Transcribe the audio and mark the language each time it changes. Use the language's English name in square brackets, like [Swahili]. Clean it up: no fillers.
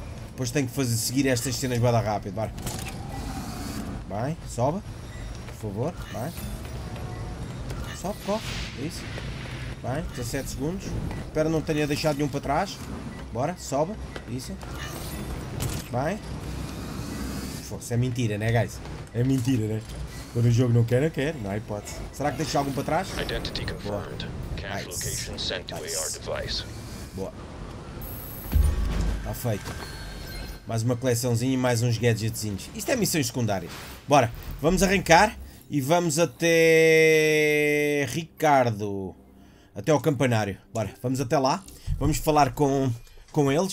[Portuguese] Depois tenho que fazer, seguir estas cenas bada rápido, bora. Vai, sobe. Por favor, vai. Sobe, corre. Isso. Bem, 17 segundos. Espero não tenha deixado nenhum para trás. Bora, sobe. Isso. Bem. Força, é mentira, né, guys? É mentira, né? Quando o jogo não quer, não quer. Não há hipótese. Será que deixa algum para trás? [English] Identity confirmed. Cache location sent to AR device. [Portuguese] Boa. Está feito. Mais uma coleçãozinha e mais uns gadgetzinhos. Isto é missões secundárias. Bora, vamos arrancar e vamos até... Ricardo. Até ao campanário. Bora, vamos até lá. Vamos falar com eles.